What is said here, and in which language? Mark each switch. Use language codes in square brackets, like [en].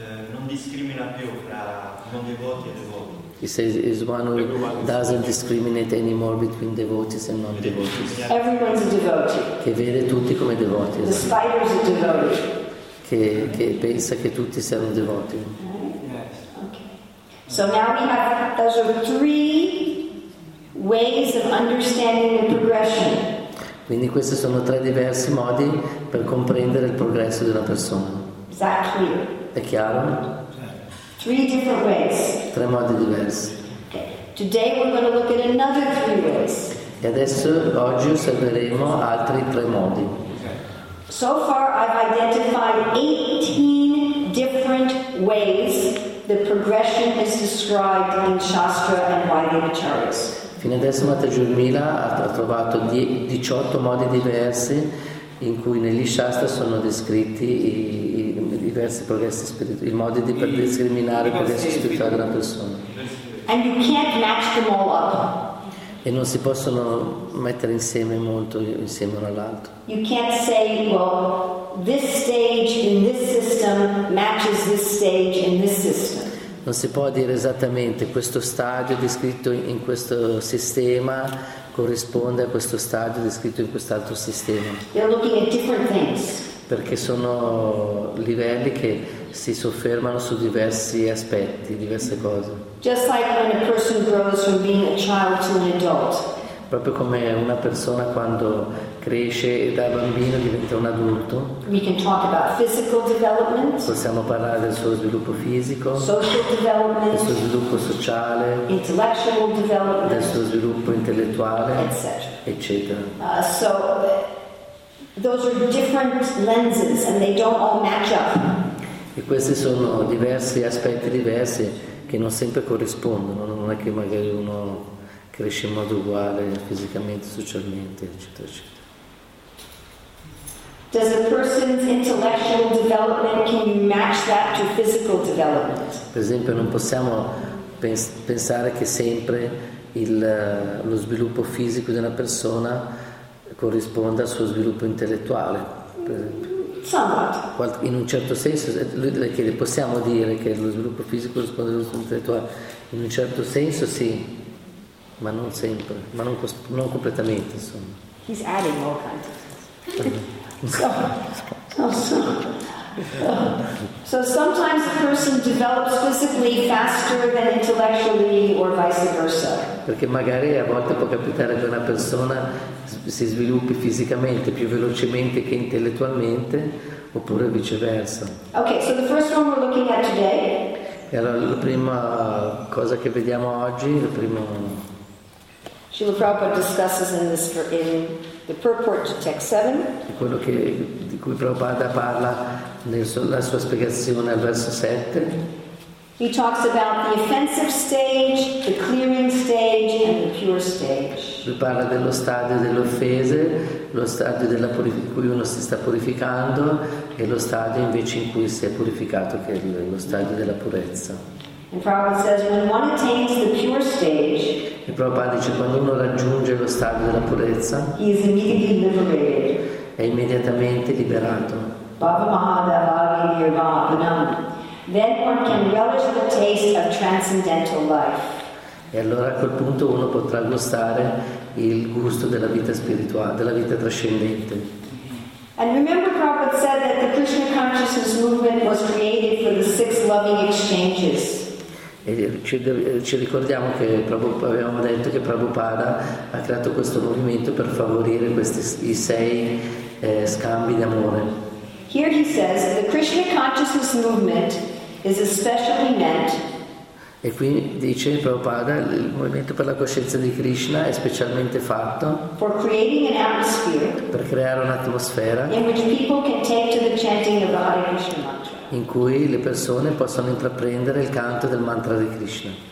[it] Non discrimina più fra non devoti e devoti. [en] He says is one who doesn't discriminate anymore between devotees and non devotees. Everyone's a devotee. [it] Che vede tutti come devoti. [en] The spider is a devotee. [it] Che pensa che tutti siano devoti. [en] Yes. Okay. So now we have those are three ways of understanding the progression. [it] Quindi questi sono tre diversi modi per comprendere il progresso di una persona. [en] Exactly. [it] È chiaro? [en] Three different ways. [it] Tre modi diversi. [en] Okay. Today we're going to look at another three ways. [it] E adesso oggi osserveremo altri tre modi. [en] Okay. So far I've identified 18 different ways the progression is described in Shastra and Vaidyacharyas. [it] Fino adesso Mata Jurmila ha trovato 18 modi diversi in cui negli Shastra sono descritti i diversi progressi spirituali, i modi per discriminare il progresso spirituale di una persona. [en] And you can't match them all up. [it] E non si possono mettere insieme molto insieme uno all'altro. [en] You can't say, well, this stage in this system matches this stage in this system. [it] Non si può dire esattamente questo stadio descritto in questo sistema corrisponde a questo stadio descritto in quest'altro sistema. [en] They're looking at different things. [it] Perché sono livelli che si soffermano su diversi aspetti, diverse cose. [en] Just like when a person grows from being a child to an adult. [it] Proprio come una persona quando cresce e da bambino diventa un adulto. [en] We can talk about physical development, [it] possiamo parlare del suo sviluppo fisico, [en] social development, [it] del suo sviluppo sociale, [en] intellectual development, [it] del suo sviluppo intellettuale, eccetera. [en] So those are different lenses and they don't all match up. [it] E questi sono diversi aspetti diversi che non sempre corrispondono, non è che magari uno cresce in modo uguale fisicamente, socialmente, eccetera, eccetera. [en] Does a person's intellectual development, can you match that to physical development? [it] Per esempio, non possiamo pensare che sempre lo sviluppo fisico di una persona corrisponda al suo sviluppo intellettuale. [en] Somewhat. [it] In un certo senso, lui le chiede, possiamo dire che lo sviluppo fisico corrisponde allo sviluppo intellettuale? In un certo senso sì, ma non sempre, ma non completamente, insomma. [en] He's adding all kinds of things. So sometimes a person develops physically faster than intellectually or vice versa. [it] Perché magari a volte può capitare che una persona si sviluppi fisicamente più velocemente che intellettualmente, oppure viceversa. [en] Okay, so the first one we're looking at today. [it] E allora la prima cosa che vediamo oggi, il primo. [en] Srila Prabhupada discusses in this in the purport to text 7. [it] Quello che di cui Prabhupada parla nella sua spiegazione al verso 7. [en] He talks about the offensive stage, the clearing stage, and the pure stage. [it] Lui parla dello stadio delle offese, lo stadio della in cui uno si sta purificando, e lo stadio invece in cui si è purificato, che è lo stadio della purezza. [en] And Prabhupada says, when one attains the pure stage, [it] e Prabhupada dice, quando uno raggiunge lo stadio della purezza, [en] he is immediately liberated. [it] È immediatamente liberato. Baba Mahadevagirvana. [en] Then one can relish the taste of transcendental life. [it] E allora a quel punto uno potrà gustare il gusto della vita spirituale, della vita trascendente. [en] And remember, Prabhupada said that the Krishna consciousness movement was created for the six loving exchanges. [it] E ci ricordiamo che abbiamo detto che Prabhupada ha creato questo movimento per favorire questi i sei scambi di amore. [en] Here he says the Krishna consciousness movement is especially meant. [it] E qui dice Prabhupada il movimento per la coscienza di Krishna è specialmente fatto [en] for creating an atmosphere [it] per creare un'atmosfera [en] in which people can take to the chanting of the Hare Krishna mantra. [it] In cui le persone possono intraprendere il canto del mantra di Krishna.